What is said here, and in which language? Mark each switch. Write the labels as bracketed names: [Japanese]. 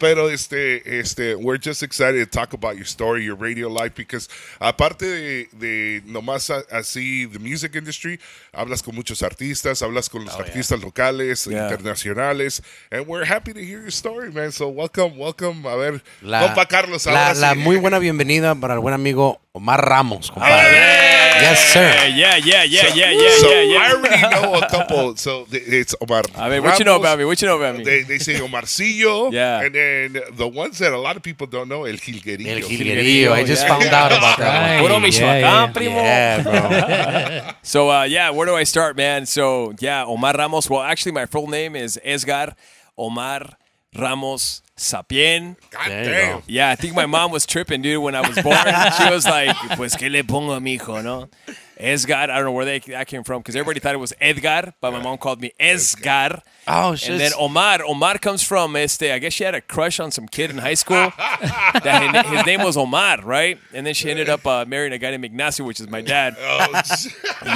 [Spanish] Pero [English] we're just excited to talk about your story, your radio life, because [Spanish] aparte de nomás así, [English] the music industry, [Spanish] hablas con muchos artistas, hablas con los artistas locales, [English] yeah. internacionales, and we're happy to hear your story, man. So welcome, welcome. [Spanish] A ver, compa [English] Carlos. [Spanish] La muy buena bienvenida para el buen amigo Omar Ramos, compadre. [English] Hey! Yes, sir. Yeah. I already know a couple. So it's Omar. I mean, what you know about me? What you know about me? They say Omarcillo. Yeah. And then the ones that a lot of people don't know, El Gilguerillo. El Gilguerillo. I just found out about that. [Spanish] Puro Michoacán, primo. [English] Yeah, bro. So, where do I start, man? So, Omar Ramos. Well, actually, my full name is Edgar Omar Ramos Sapien. God damn. Yeah, I think my mom was tripping, dude, when I was born. She was like, [Spanish] pues que le pongo a mi hijo, ¿no? [English] Edgar, I don't know where that came from, because everybody thought it was Edgar, but my mom called me Edgar. Oh, and just... then Omar comes from, I guess she had a crush on some kid in high school. That his name was Omar, right? And then she ended up marrying a guy named Ignacio, which is my dad. Oh,